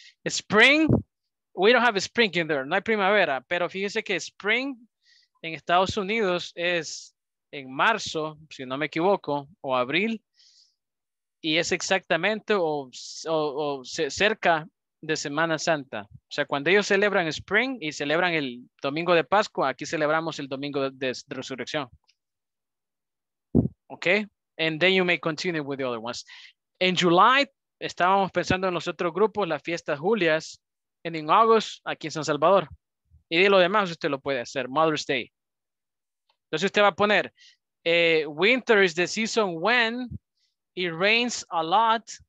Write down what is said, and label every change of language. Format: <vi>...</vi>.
<en>Spring, we don't have a spring in there,</en> <es>no hay primavera, pero fíjese que spring en Estados Unidos es en marzo, si no me equivoco, o abril, y es exactamente cerca de Semana Santa. O sea, cuando ellos celebran Spring y celebran el Domingo de Pascua, aquí celebramos el Domingo de Resurrección.</es> <en>Ok. And then you may continue with the other ones. In July,</en> <es>estábamos pensando en los otros grupos, las fiestas julias.</es> <en>And in August,</en> <es>aquí en San Salvador. Y de lo demás, usted lo puede hacer.</es> <en>Mother's Day.</en> <es>Entonces usted va a poner,</es> <en>Winter is the season when it rains a lot.</en>